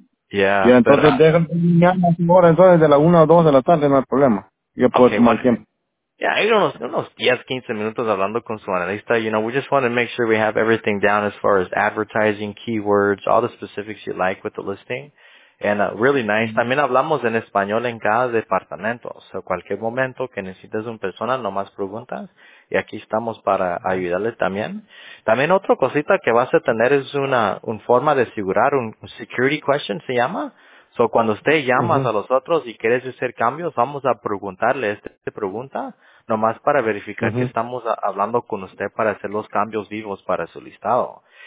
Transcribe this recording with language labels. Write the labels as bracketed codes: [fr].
[es] entonces déjenme mañana ahora, entonces de la 1 o 2 de la tarde no hay problema. Yo puedo tomar tiempo. Yeah, hay unos 10, 15 minutos hablando con su analista. [en] You know, we just want to make sure we have everything down as far as advertising, keywords, all the specifics you like with the listing. And really nice. [es] También hablamos en español en cada departamento. So cualquier momento que necesites una persona, nomás preguntas. Y aquí estamos para ayudarle también. También otra cosita que vas a tener es un forma de asegurar, un security question se llama. So cuando usted llama a los otros y quieres hacer cambios, vamos a preguntarle esta pregunta, nomás para verificar que estamos hablando con usted para hacer los cambios vivos para su listado.